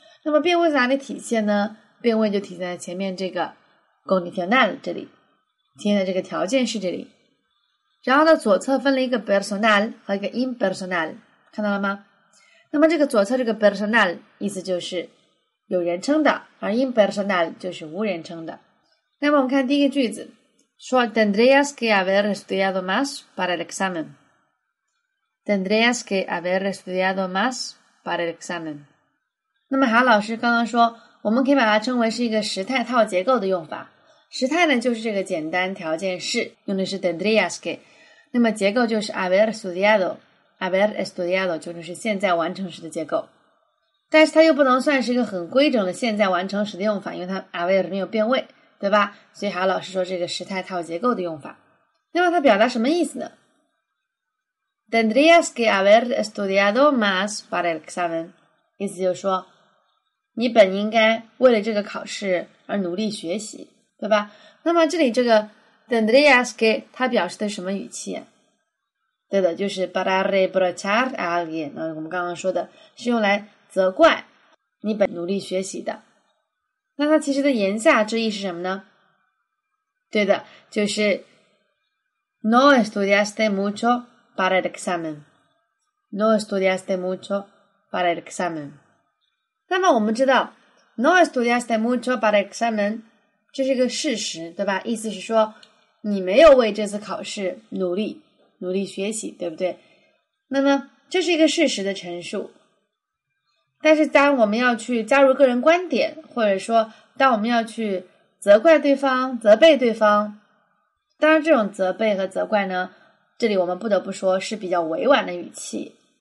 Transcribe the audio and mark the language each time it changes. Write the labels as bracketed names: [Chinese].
[Chinese] 那么变位在哪里体现呢？变位就体现在前面这个 condicional 这里，体现在这个条件式这里。然后呢，左侧分了一个 personal 和一个 impersonal， 看到了吗？那么这个左侧这个 personal 意思就是有人称的，而 impersonal 就是无人称的。 [Spanish] 那么我们看第一个句子，说 tendrías que haber estudiado más para el examen， tendrías que haber estudiado más para el examen。 [Chinese] 那么韩老师刚刚说，我们可以把它称为是一个时态套结构的用法。时态呢，就是这个简单条件式，用的是 [Spanish] tendrías que， [Chinese] 那么结构就是 [Spanish] haber estudiado， [Chinese] 就是现在完成时的结构。但是它又不能算是一个很规整的现在完成时的用法，因为它 haber 没有变位，对吧？所以还老师说这个时态套结构的用法。那么它表达什么意思呢？ [Spanish] tendrías que haber estudiado más para el examen， [Chinese] 意思就是说你本应该为了这个考试而努力学习，对吧？那么这里这个 tendrías que 它表示的什么语气、啊、对的，就是 [Spanish] para reprochar a alguien， [Chinese] 我们刚刚说的是用来责怪你本努力学习的。那它其实的言下之意是什么呢？对的，就是 [Spanish] no estudiaste mucho para el examen， no estudiaste mucho para el examen。 [Chinese] 那么我们知道 [Spanish] no estudiaste mucho para examen， [Chinese] 这是一个事实，对吧？意思是说你没有为这次考试努力学习，对不对？那么这是一个事实的陈述，但是当我们要去加入个人观点，或者说当我们要去责怪对方、责备对方，当然这种责备和责怪呢，这里我们不得不说是比较委婉的语气，